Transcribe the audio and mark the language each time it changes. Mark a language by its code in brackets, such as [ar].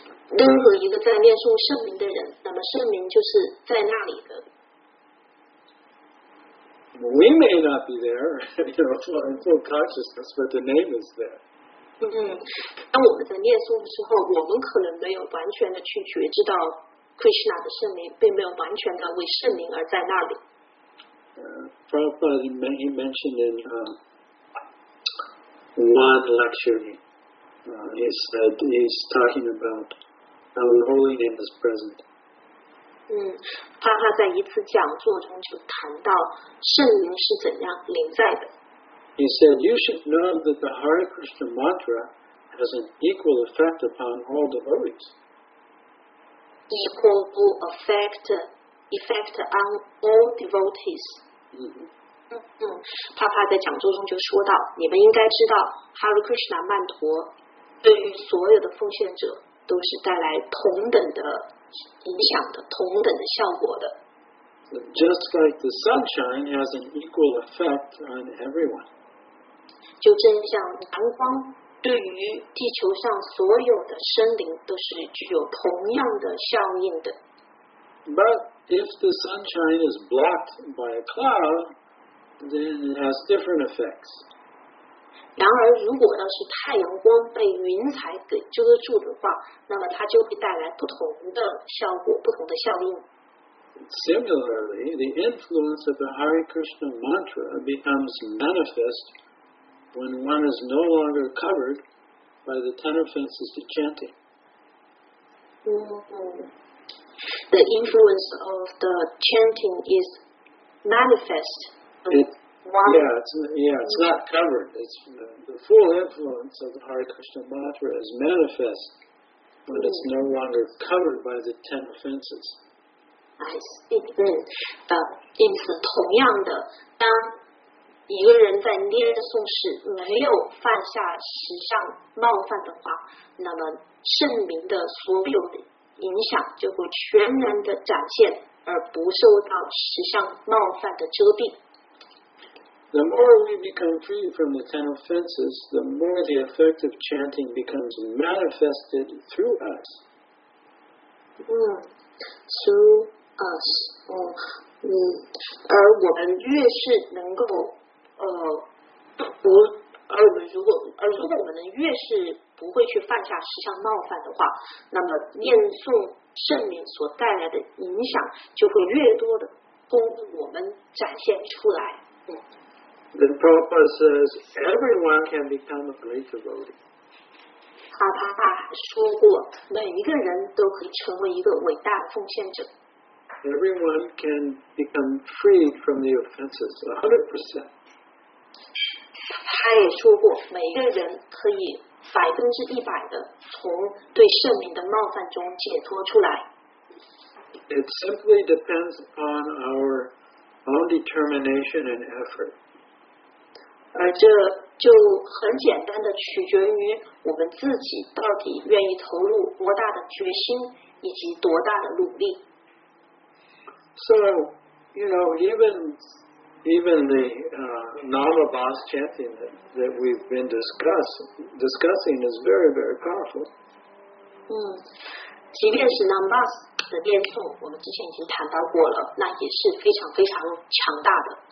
[zh] 任何一个在念诵圣名的人，那么圣名就是在那里的。 [en] We may not be there, in full consciousness, but the name is there. [zh] 当我们在念诵的时候，我们可能没有完全的去觉知到 Krishna 的圣灵，并没有完全的为圣灵而在那里。 [en] Prabhupada mentioned in one lecture, he said he's talking about how the Holy Name is present. [zh] 他在一次讲座中就谈到圣灵是怎样临在的。 [en] He said, "You should know that the Hare Krishna mantra has an equal effect upon all devotees." Equal effect on all devotees.、 [zh] 他在讲座中就说到，你们应该知道 Hare Krishna 曼陀对于所有的奉献者都是带来同等的。影响的同等的效果的。 [en] Just like the sunshine has an equal effect on everyone. [zh] 就正像阳光对于地球上所有的生灵都是具有同样的效应的。 [en] But if the sunshine is blocked by a cloud, then it has different effects. [zh] 然而，如果要是太阳光被云彩给遮住的话，那么它就会带来不同的效果，不同的效应。 [en] Similarly, the influence of the Hare Krishna mantra becomes manifest when one is no longer covered by the ten offenses to chanting. The influence of the chanting is manifest. It's not covered. It's the full influence of the Hare Krishna mantra is manifest. But it's no longer covered by the ten offenses. I see. [zh] 因此同样的，当一个人在念诵时没有犯下十项冒犯的话，那么圣名的所有的影响就会全然的展现，而不受到十项冒犯的遮蔽。 [en] The more we become free from the ten offenses, the more the effect of chanting becomes manifested through us. Through us. [zh] 而我们越是能够如果我们越是不会去犯下十项冒犯的话，那么念诵圣名所带来的影响就会越多的供我们展现出来。 [en] Then Prabhupada says, everyone can become a great devotee. [zh] 他爸爸说过，每一个人都可以成为一个伟大的奉献者。 [en] Everyone can become free from the offenses, 100%. [zh] 他也说过，每一个人可以100%的从对圣名的冒犯中解脱出来。 [en] It simply depends upon our own determination and effort. [zh] 而这就很简单的取决于我们自己到底愿意投入多大的决心以及多大的努力。 [en] So, you know, even the Nama Bas chanting that we've been discussing is very, very powerful. [zh] 即便是 Nama Bas 的念诵，我们之前已经谈到过了，那也是非常非常强大的。